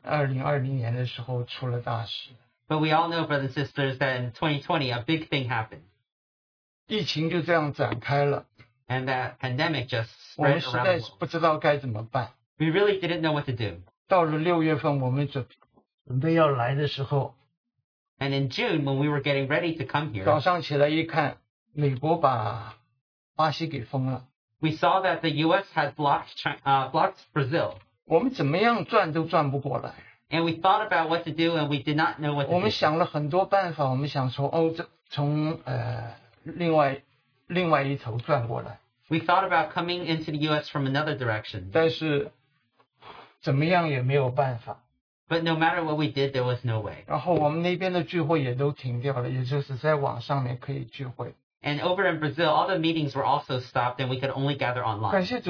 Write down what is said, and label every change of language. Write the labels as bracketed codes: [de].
[zh] 弟兄姊妹,你们知道去年2020年的时候出了大事。 [en] But we all know, brothers and sisters, that in 2020, a big thing happened. [zh] 疫情就这样展开了。 [en] And that pandemic just spread around. We really didn't know what to do. [zh] 到了6月份我们准备要来的时候, [en] and in June, when we were getting ready to come here, [zh] 早上起来一看, [en] we saw that the US had blocked China, blocked Brazil. And we thought about what to do, and we did not know what to do. [zh] 我们想了很多办法,我们想从另外一头转过来。 [en] We thought about coming into the U.S. from another direction. [zh] 但是怎么样也没有办法。 [en] But no matter what we did, there was no way. [zh] 然后我们那边的聚会也都停掉了, 也就是在网上面可以聚会。 [en] And over in Brazil, all the meetings were also stopped and we could only gather online.